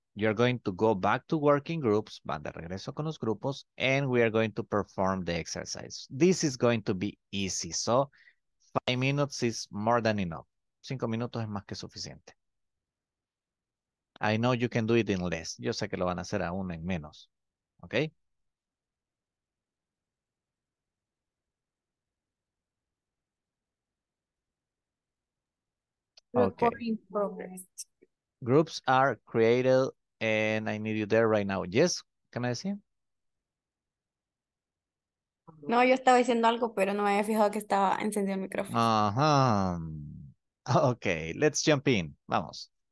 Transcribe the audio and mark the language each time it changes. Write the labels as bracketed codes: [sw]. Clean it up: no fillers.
[en] You're going to go back to working groups, [es] van de regreso con los grupos, [en] and we are going to perform the exercise. This is going to be easy, so 5 minutes is more than enough. [es] 5 minutos es más que suficiente. [en] I know you can do it in less. [es] Yo sé que lo van a hacer aún en menos, okay? [en] Okay. Recording progress. Groups are created and I need you there right now. Yes, can I see? [es] No, yo estaba diciendo algo, pero no me había fijado que estaba encendido el micrófono. [en] Uh-huh. Okay, let's jump in. Vamos.